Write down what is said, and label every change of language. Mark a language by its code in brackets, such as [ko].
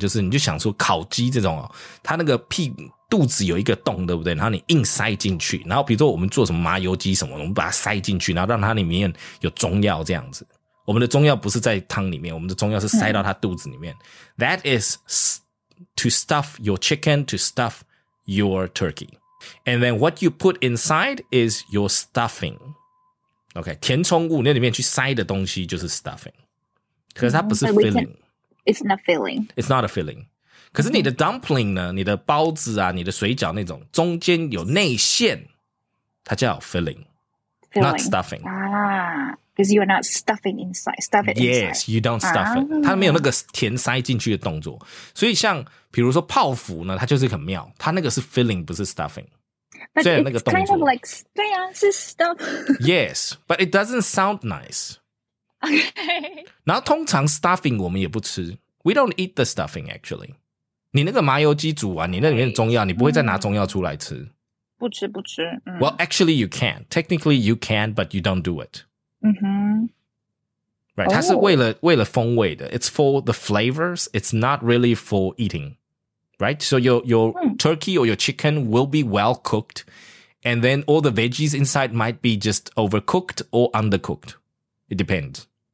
[zh] 就是你就想说烤鸡这种哦，它那个屁肚子有一个洞，对不对？然后你硬塞进去，然后比如说我们做什么麻油鸡什么，我们把它塞进去，然后让它里面有中药这样子。我们的中药不是在汤里面，我们的中药是塞到它肚子里面。 [en] 嗯、That is to stuff your chicken, to stuff your turkey, and then what you put inside is your stuffing. [zh] OK, 填充物那里面去塞的东西就是 stuffing. 可是它不是 filling. [en] It's not filling. It's not a filling. [zh] 可是你的 dumpling 呢，你的包子啊，你的水饺那种中间有内馅，它叫 filling, [en] filling. Not stuffing. Ah. Because you are not stuffing inside. Stuff it inside. Yes, you don't stuff it. [zh] 它没有那个填塞进去的动作。所以像比如说泡芙呢，它就是很妙。它那个是 filling, 不是 stuffing. [en] But [zh] 虽然那个动作 [en] kind of like, [zh] 对啊，是 [en] stuff. Yes, but it doesn't sound nice. Okay. [zh] 然后通常 stuffing 我们也不吃。 [en] We don't eat the stuffing, actually. [zh] 你那个麻油鸡煮完，你那里面的中药，你不会再拿中药出来吃。不吃不吃。 [en] Well, actually you can. Technically you can, but you don't do it. Mm-hmm. Right, [zh] 它是为了风味的 [en] It's for the flavors It's not really for eating Right, so your turkey or your chicken will be well cooked And then all the veggies inside might be just overcooked or undercooked It depends